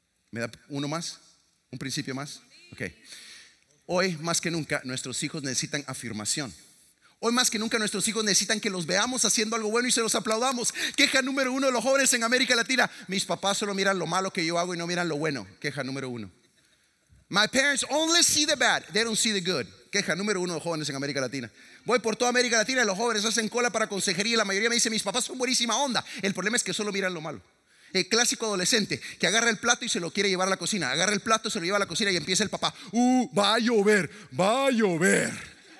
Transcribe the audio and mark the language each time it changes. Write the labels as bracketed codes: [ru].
[es] ¿Me da uno más? ¿Un principio más? Ok. Hoy más que nunca nuestros hijos necesitan afirmación. Hoy más que nunca nuestros hijos necesitan que los veamos haciendo algo bueno y se los aplaudamos. Queja número uno de los jóvenes en América Latina: mis papás solo miran lo malo que yo hago y no miran lo bueno. Queja número uno. [en] My parents only see the bad, they don't see the good. [es] Queja número uno de jóvenes en América Latina. Voy por toda América Latina y los jóvenes hacen cola para consejería y la mayoría me dice: mis papás son buenísima onda. El problema es que solo miran lo malo. El clásico adolescente que agarra el plato y se lo quiere llevar a la cocina. Agarra el plato, se lo lleva a la cocina y empieza el papá: va a llover, va a llover.